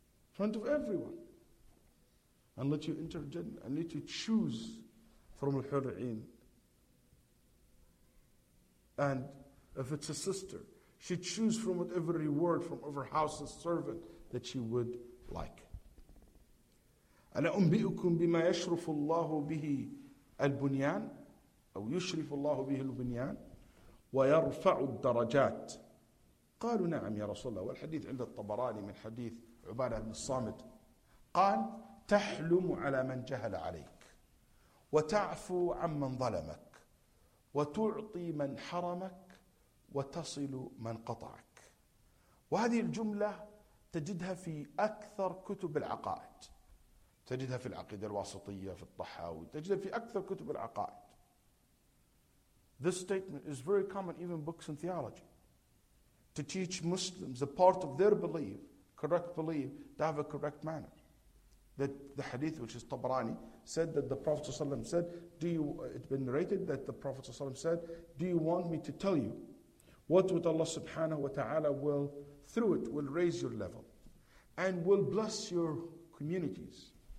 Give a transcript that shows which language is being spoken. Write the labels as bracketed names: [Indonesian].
[English] In front of everyone. And let you enter Jannah and let you choose from al-hur'in. And if it's a sister, she choose from whatever reward from her house and servant that she would like. [Arabic] أنا أنبئكم بما يشرف الله به البنيان أو يشرف الله به البنيان ويرفع الدرجات. قالوا نعم يا رسول الله. والحديث عند الطبراني من حديث عبادة بن الصامت قال تحلم على من جهل عليك وتعفو عمن ظلمك وتعطي من حرمك وتصل من قطعك. وهذه الجملة تجدها في أكثر كتب العقائد. تجدها في العقيدة الواسطية في الطحاوي. تجدها في أكثر كتب العقائد. [English] This statement is very common even books in theology. To teach Muslims a part of their belief, correct belief, to have a correct manner. That the hadith, which is Tabarani, said that the Prophet ﷺ said, it's been narrated that the Prophet ﷺ said, do you want me to tell you what would Allah subhanahu wa ta'ala will, through it, will raise your level and will bless your communities?